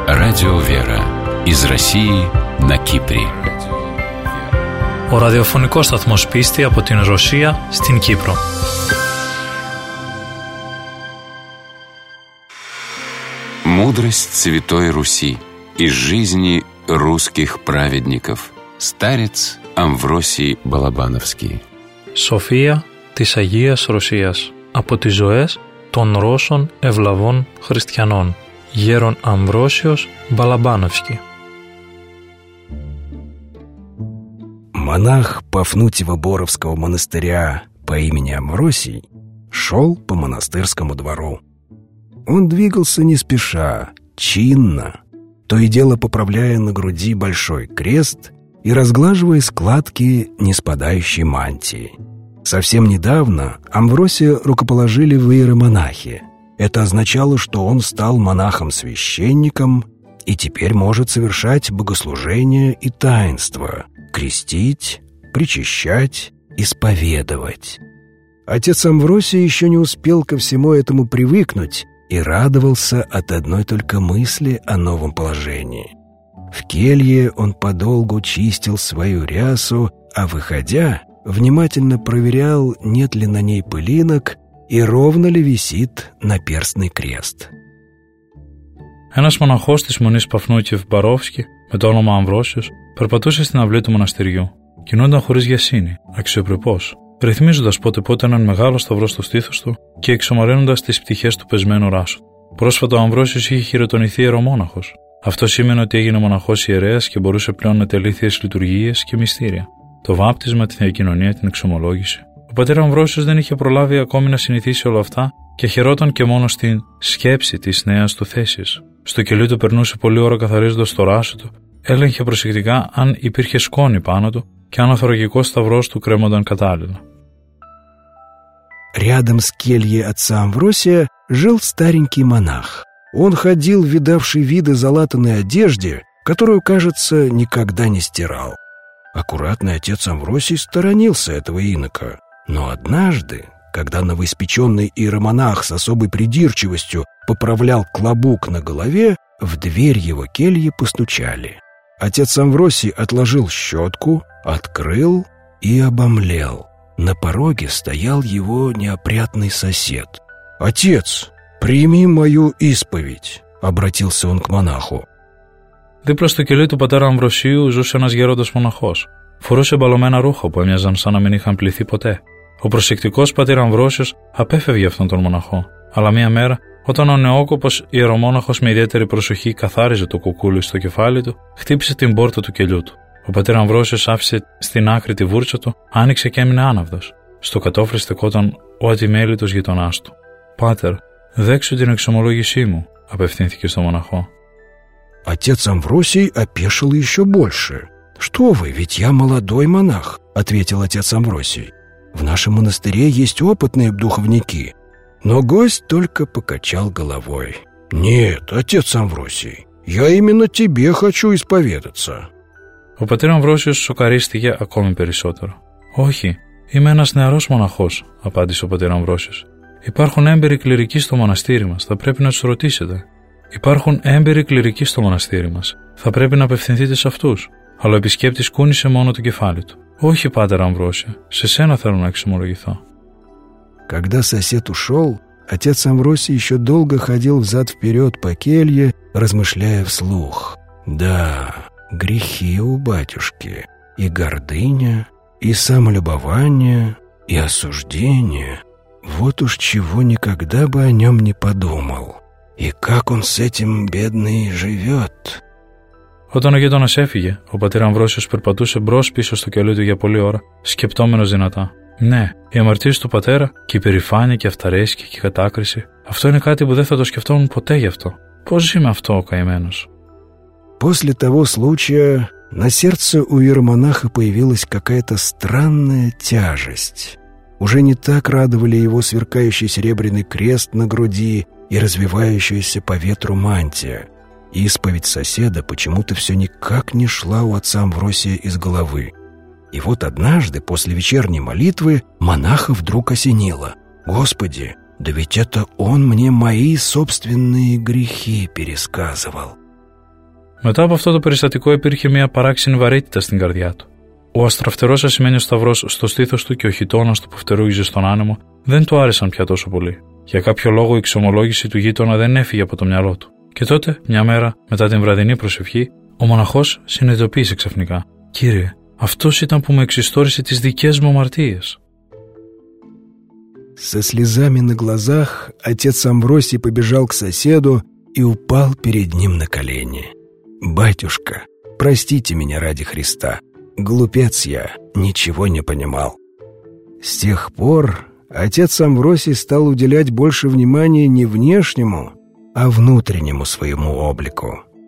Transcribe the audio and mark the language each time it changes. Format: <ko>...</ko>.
<ru>Радио Вера. Из России на Кипре.</ru> <el>Ο ραδιοφωνικός σταθμός πίστη από την Ρωσία στην Κύπρο.</el> <ru>Мудрость Святой Руси из жизни русских праведников. Старец Амвросий Балабановский.</ru> <el>София της Αγίας Ρωσίας. Από τις ζωές των Ρώσων ευλαβών χριστιανών. Γέρον Αμβρόσιος Μπαλαμπάνευσκι.</el> <ru>Монах Пафнутьево-Боровского монастыря по имени Амвросий шел по монастырскому двору. Он двигался не спеша, чинно, то и дело поправляя на груди большой крест и разглаживая складки ниспадающей мантии. Совсем недавно Амвросия рукоположили в иеромонахи. Это означало, что он стал монахом-священником и теперь может совершать богослужения и таинства, крестить, причащать, исповедовать. Отец Амвросий еще не успел ко всему этому привыкнуть и радовался от одной только мысли о новом положении. В келье он подолгу чистил свою рясу, а выходя, внимательно проверял, нет ли на ней пылинок и ровно ли висит наперстный крест.</ru> <el>Ένας μοναχός της Μονής Παφνούκη в Μπαρόφσκι, με το όνομα Αμβρόσιος, περπατούσε στην αυλή του μοναστηριού, κινούνταν χωρίς γιασύνη, αξιοπρεπώς, ρυθμίζοντας πότε-πότε έναν μεγάλο σταυρό στο στήθος του και εξομαραίνοντας τις πτυχές του πεσμένου ράσου. Πρόσφατα ο Αμβρόσιος είχε χειροτονηθεί ιερομόναχος. Αυτό σήμαινε ότι έγινε μοναχός ιερέας και μπορούσε πλέον να τελεί θείες λειτουργίες και μυστήρια. Το βάπτισμα, τη διακοινωνία, την εξομολόγηση. Ο πατήρ Αμβρόσιος δεν είχε προλάβει ακόμη να συνηθίσει όλα αυτά και χαιρόταν και μόνο στην σκέψη της νέας του θέσης. Στο κελί του περνούσε πολλή ώρα καθαρίζοντας το ράσο του, έλεγχε προσεκτικά αν υπήρχε σκόνη πάνω του και αν ο θωρακικός σταυρός του κρέμονταν κατάλληλα.</el> <ru>Рядом с кельей отца Амвросия жил старенький монах. Он ходил, видавший виды залатанной одежде, которую, кажется, никогда не стирал. Аккуратный отец Амвросий сторонился этого инока. Но однажды, когда новоиспеченный иеромонах с особой придирчивостью поправлял клобук на голове, в дверь его кельи постучали. Отец Амвросий отложил щетку, открыл и обомлел. На пороге стоял его неопрятный сосед. «Отец, прими мою исповедь!» — обратился он к монаху.</ru> <el>Δίπλα στο κελί του πατέρα Αμβροσίου ζούσε ένας γέροντας μοναχός. Φορούσε μπαλωμένα ρούχα που έμοιαζαν σαν να μην είχαν πληθεί ποτέ. Ο προσεκτικός πατήρ Αμβρόσιος απέφευγε αυτόν τον μοναχό. Αλλά μία μέρα, όταν ο νεόκοπος ιερομόναχος με ιδιαίτερη προσοχή καθάριζε το κουκούλι στο κεφάλι του, χτύπησε την πόρτα του κελιού του. Ο πατήρ Αμβρόσιος άφησε στην άκρη τη βούρτσα του, άνοιξε και έμεινε άναυδος. Στο κατώφλι στεκόταν ο ατιμέλητος γειτονάς του. «Πάτερ, δέξου την εξομολόγησή μου», απευθύνθηκε στο μοναχό.</el> <ru>Отец Амвросий опешил еще больше. «Что вы, ведь я молодой монах», — ответил отец Амвросий. «В нашем монастыре есть опытные духовники». Но гость только покачал головой. «Нет, отец Амвросий, я именно тебе хочу исповедаться».</ru> <el>У патера Амвросия сукаристыке акоми перисотеро. «Охи, имя нас нарос монахос», — ападис у патера Амвросия. «Ипархун эмбери клирики сто монастыри мас, та препи на сротисете». «Υπάρχουν έμπειροι κληρικοί στο μοναστήρι μας. Θα πρέπει να απευθυνθείτε σε αυτούς». Αλλά ο επισκέπτης κούνησε μόνο το κεφάλι του. «Όχι, πάτερ Αμβρόσια. Σε σένα θέλω να εξομολογηθώ».</el> <ru>Когда сосед ушел, отец Амвросий еще долго ходил взад-вперед по келье, размышляя вслух. «Да, грехи у батюшки. И гордыня, и самолюбование, и осуждение. Вот уж чего никогда бы о нем не подумал». «И как он с этим бедный живет?»</ru> <el>Όταν ο γείτονας έφυγε, ο πατήρ Αμβρόσιος περπατούσε μπρος-πίσω στο κελί του για πολλή ώρα, σκεπτόμενος δυνατά. «Ναι, η αμαρτία του πατέρα και η περηφάνεια και η αυταρέσκεια και η κατάκριση, αυτό είναι κάτι που δεν θα το σκεφτόμουν ποτέ γι' αυτό. Πώς ζει με αυτό ο καημένος?»</el> <ru>После того случая на сердце у иеромонаха появилась какая-то странная тяжесть. Уже не так радовали его сверкающий серебряный крест на груди и развивающаяся по ветру мантия. Исповедь соседа почему-то все никак не шла у отца Амвросия из головы. И вот однажды, после вечерней молитвы, монаха вдруг осенило. «Господи, да ведь это он мне мои собственные грехи пересказывал».</ru> <el>Μετά από αυτό το περιστατικό υπήρχε μια παράξενη βαρύτητα στην καρδιά του. Ο αστραφτερός ασημένιος σταυρός στο στήθος του και ο χιτώνας του που φτερούγιζε στον άνεμο δεν του άρεσαν πια τόσο πολύ. Για κάποιο λόγο η εξομολόγηση του γείτονα δεν έφυγε από το μυαλό του. Και τότε, μια μέρα, μετά την βραδινή προσευχή, ο μοναχός συνειδητοποίησε ξαφνικά. «Κύριε, αυτός ήταν που με εξιστόρισε τις δικές μου αμαρτίες».</el> <ru>Со слезами на глазах отец Амвросий побежал к соседу и упал перед ним на колени. «Батюшка, простите меня ради Христа. Глупец я, ничего не понимал». С тех пор отец Амвросий стал уделять больше внимания не внешнему, а внутреннему своему облику.</ru>